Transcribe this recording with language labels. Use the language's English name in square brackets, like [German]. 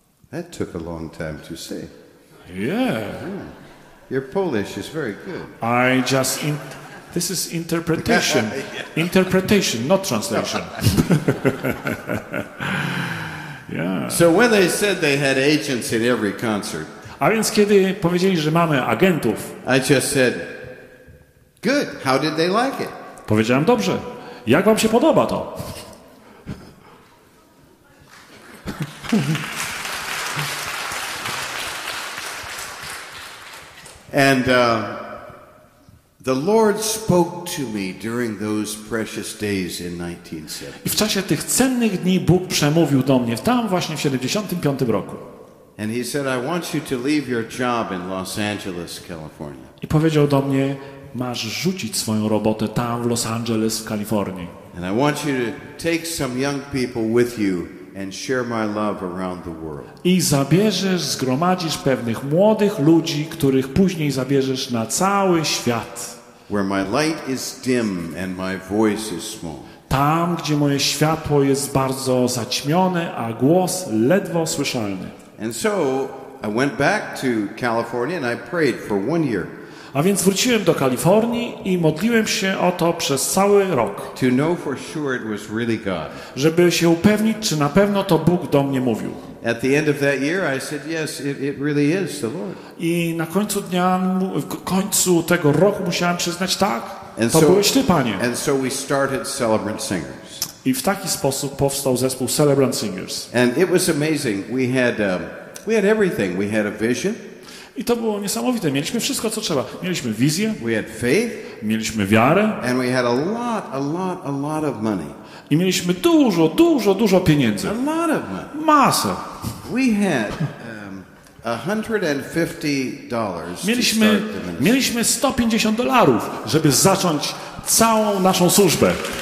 [English] That took a long time to say. Yeah. Your Polish is very good. I just this is interpretation. Yeah. Interpretation, not translation. Yeah. So when they said they had agents in every concert, [Polish] a więc kiedy powiedzieli, że mamy agentów, [English] I just said, good. How did they like it? [Polish] Powiedziałem dobrze. Jak wam się podoba to? [English] And the Lord spoke to me during those precious days in 1970. [Polish] I w czasie tych cennych dni Bóg przemówił do mnie tam właśnie w 75 roku. [English] And he said, I want you to leave your job in Los Angeles, California. [Polish] I powiedział do mnie, masz rzucić swoją robotę tam w Los Angeles, w Kalifornii. [English] And I want you to take some young people with you and share my love around the world. [Polish] I zabierzesz, zgromadzisz pewnych młodych ludzi, których później zabierzesz na cały świat. [English] Where my light is dim and my voice is small. [Polish] Tam, gdzie moje światło jest bardzo zaćmione, a głos ledwo słyszalny. [English] And so I went back to California and I prayed for one year. [Polish] A więc wróciłem do Kalifornii i modliłem się o to przez cały rok. [English] To know for sure it was really God. [Polish] Żeby się upewnić, czy na pewno to Bóg do mnie mówił. [English] At the end of that year I said yes, it really is the Lord. [Polish] I na końcu dnia, w końcu tego roku musiałem przyznać tak, to byłeś ty, Panie. [English] And so we started Celebrant Singers. [Polish] I w taki sposób powstał zespół Celebrant Singers. [English] And it was amazing. We had everything. We had a vision. [Polish] I to było niesamowite. Mieliśmy wszystko, co trzeba. Mieliśmy wizję. [English] We had faith. [Polish] Mieliśmy wiarę. [English] And we had a lot of money. [Polish] I mieliśmy dużo, dużo, dużo pieniędzy. [English] A lot of money. [Polish] Masę. [English] We had $150 to start the ministry. [Polish] Mieliśmy $150, żeby zacząć całą naszą służbę.